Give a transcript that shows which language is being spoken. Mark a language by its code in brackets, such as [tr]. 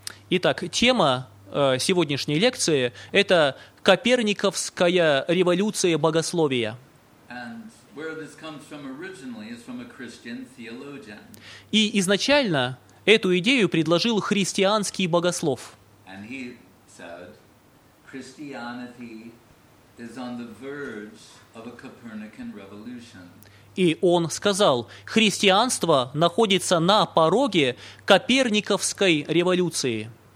[ru] Итак, тема сегодняшней лекции – это Коперниковская революция богословия. [en] And where this comes from originally is from a Christian theologian. [ru] И изначально эту идею предложил христианский богослов. [en] And he said, Christianity is on the verge of a Copernican revolution. [ru] И он сказал, христианство находится на пороге Коперниковской революции.